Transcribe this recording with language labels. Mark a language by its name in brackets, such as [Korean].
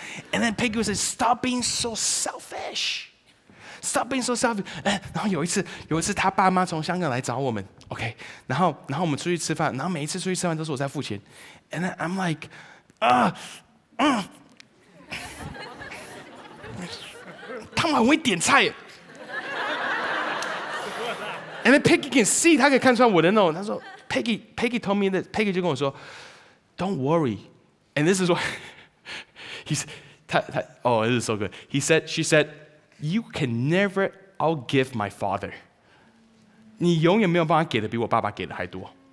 [English] And then Peggy said, "Stop being so selfish. Stop being so selfish." [Chinese] 然后有一次他爸妈从香港来找我们 ，OK， 然后我们出去吃饭，然后每一次出去吃饭都是我在付钱。 [English] And then I'm like, [Chinese] 他们很会点菜。 [English] And then Peggy can see， [Chinese] 他可以看出来我的那种，他说。 [English] Peggy told me that. Peggy [Chinese] 就跟我说 [English] "Don't worry." And this is what he said. Oh, this is so good. He said, "She said, you can never outgive my father. [Chinese] 你永远没有办法给的比我爸爸给的还多。